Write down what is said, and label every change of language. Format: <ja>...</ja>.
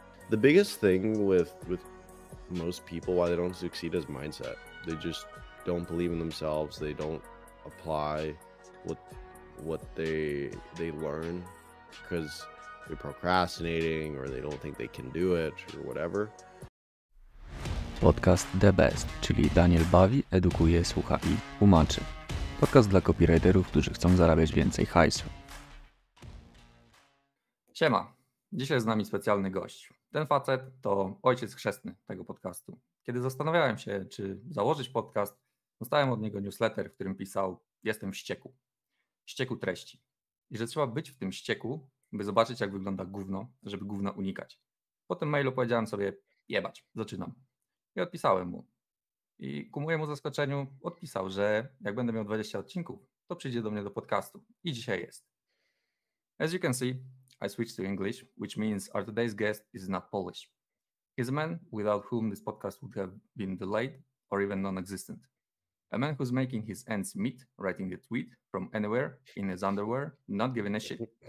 <en>The biggest thing with most people why they don't succeed is mindset. They just don't believe in themselves. They don't apply what they learn because they're procrastinating, or they don't think they can do it, or whatever.</en> <pl>Podcast The Best, czyli Daniel bawi, edukuje, słucha i tłumaczy. Podcast dla copywriterów, którzy chcą zarabiać więcej hajsu. Siema, dzisiaj z nami specjalny gość. Ten facet to ojciec chrzestny tego podcastu. Kiedy zastanawiałem się, czy założyć podcast, dostałem od niego newsletter, w którym pisał: Jestem w ścieku. Ścieku treści. I że trzeba być w tym ścieku, by zobaczyć, jak wygląda gówno, żeby gówna unikać. Po tym mailu powiedziałem sobie: jebać, zaczynam. I odpisałem mu. I ku mojemu zaskoczeniu odpisał, że jak będę miał 20 odcinków, to przyjdzie do mnie do podcastu. I dzisiaj jest.</pl> <en>As you can see, I switched to English, which means our today's guest is not Polish. He's a man without whom this podcast would have been delayed or even non-existent. A man who's making his ends meet, writing a tweet from anywhere in his underwear, not giving a shit.</en>